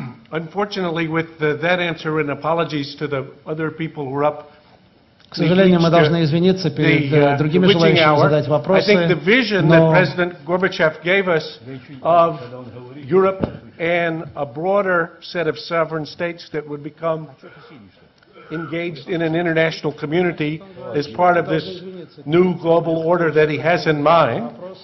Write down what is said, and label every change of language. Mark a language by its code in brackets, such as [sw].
[en] Unfortunately, with that answer and apologies to the other people who are up, [ru] к сожалению, мы должны извиниться перед другими желающими задать вопросы. [en] I think the vision that President Gorbachev gave us of Europe and a broader set of sovereign states that would become engaged in an international community as part of this new global order that he has in mind.